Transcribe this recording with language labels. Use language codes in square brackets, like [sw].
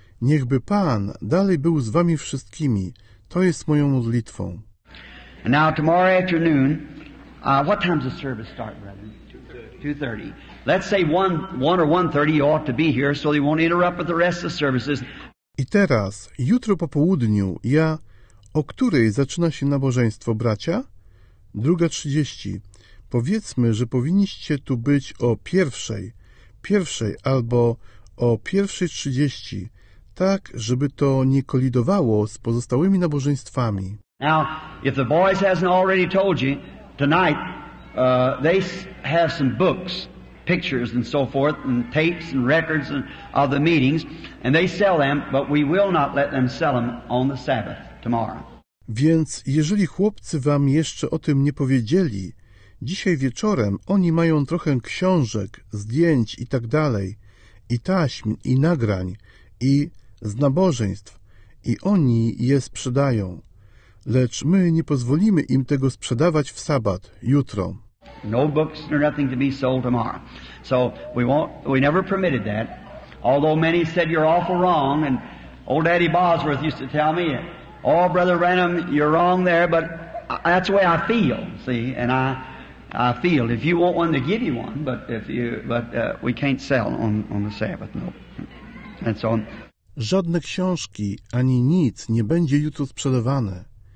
[pl] Niechby Pan dalej był z wami wszystkimi. To jest moją modlitwą. [en] And now tomorrow afternoon, what time does the service start, brother? 2:30. Let's say 1 or 1:30 you ought to be here so they won't interrupt with the rest of the services. [pl] I teraz, jutro po południu, o której zaczyna się nabożeństwo, bracia? 2:30. Powiedzmy, że powinniście tu być o pierwszej albo o 1:30, tak, żeby to nie kolidowało z pozostałymi nabożeństwami. [en] Now, if the boys hasn't already told you, tonight, they have some books, pictures and so forth, and tapes and records and of the meetings, and they sell them, but we will not let them sell them on the Sabbath tomorrow. [pl] Więc jeżeli chłopcy wam jeszcze o tym nie powiedzieli, dzisiaj wieczorem oni mają trochę książek, zdjęć i tak dalej, i taśm, i nagrań, i z nabożeństw, i oni je sprzedają. Lecz my nie pozwolimy im tego sprzedawać w sabat, jutro. [en] No books nor nothing to be sold tomorrow. So we never permitted that. Although many said you're awful wrong, and old Daddy Bosworth used to tell me, oh, Brother Branham, you're wrong there, but that's the way I feel, see, and I feel. If you want one, they give you one, but we can't sell on the Sabbath, no. And so on. [pl] Żadne książki ani nic nie będzie jutro sprzedawane.